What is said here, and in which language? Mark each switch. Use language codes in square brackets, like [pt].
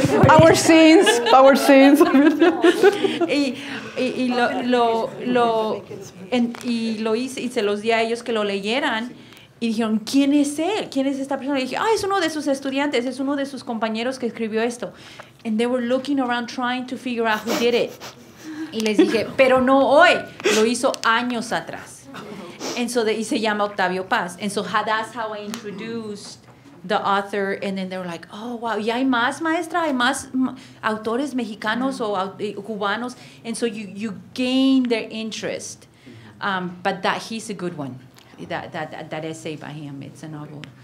[en] Our scenes, our scenes. [es] y lo hice y se los di a ellos que lo leyeran. Y dijeron, ¿quién es él? ¿Quién es esta persona? Y dije, ah, es uno de sus estudiantes, es uno de sus compañeros que escribió esto. [en] And they were looking around trying to figure out who did it. [es] Y les dije, pero no hoy, lo hizo años atrás. [en] And so [es] y se llama Octavio Paz. [en] And so that's how I introduced the author. And then they were like, oh, wow, [es] y hay más, maestra, hay más autores mexicanos o cubanos. [en] And so you gain their interest. But that he's a good one. That essay by him, it's a novel.